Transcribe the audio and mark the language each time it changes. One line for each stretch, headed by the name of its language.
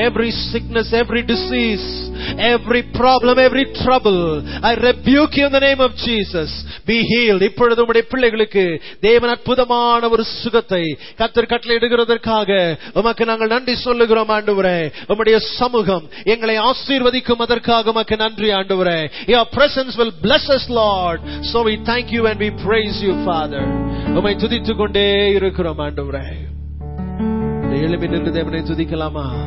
English: Every sickness, every disease, every problem, every trouble, I rebuke you in the name of Jesus. Be healed.
Tamil: இப்பொழுது உடைய பிள்ளைகளுக்கு தேவன் அற்புதமான ஒரு சுகத்தை கர்த்தர் கட்டளையிடுகிறதற்காக உமக்கு நாங்கள் நன்றி சொல்லுகிறோம் ஆண்டவரே. உம்முடைய சமூகம் எங்களை ஆசீர்வதிக்கும் அதற்காக நன்றி ஆண்டவரே.
English: Your presence will bless us, Lord. So we thank you and we praise you, Father.
Tamil: உம்மை துதித்துக் கொண்டே இருக்கிறோம் ஆண்டவரே. எழுமி நின்று தேவனை துதிக்கலாமா?